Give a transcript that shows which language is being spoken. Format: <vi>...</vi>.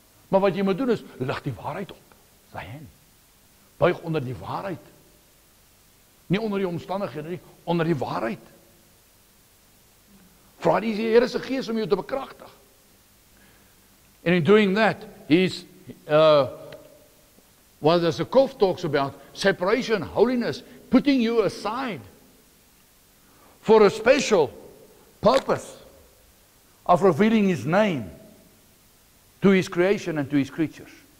<af>Maar wat jy moet doen is, lig die waarheid op.</af> <he>Zayin.</he> <af>Buig onder die waarheid. Nie onder die omstandighede nie, onder die waarheid. Vra die Here se gees om jou te bekragtig.</af> <en>And in doing that, he's, what the Sukkot talks about, separation, holiness, putting you aside for a special purpose of revealing his name to his creation and to his creatures.</en>